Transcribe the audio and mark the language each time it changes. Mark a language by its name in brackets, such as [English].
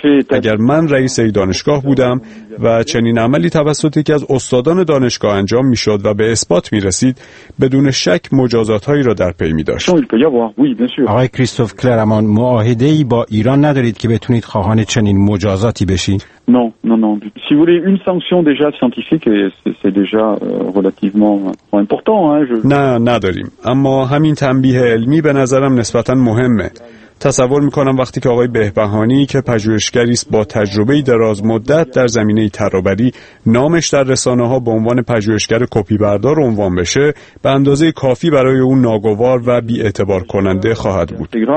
[Persian] اگر من رئیس یک دانشگاه بودم و چنین عملی توسط یکی از استادان دانشگاه انجام می‌شد و به اثبات می‌رسید، بدون شک مجازات‌هایی را در پی می‌داشت. آقای کریستوف کلرمان، معاهده‌ای با ایران ندارید که بتونید خواهان چنین مجازاتی بشید؟ [French] Si vous voulez une sanction déjà scientifique c'est déjà relativement important hein [Persian] نه نداریم، اما همین تنبیه علمی به نظرم نسبتاً مهمه. تصور میکنم وقتی که آقای بهبهانی که پژوهشگری است با تجربه دراز مدت در زمینه ترابری نامش در رسانه ها به عنوان پژوهشگر کپی بردار عنوان بشه، به اندازه کافی برای اون ناگوار و بی‌اعتبار کننده خواهد بود.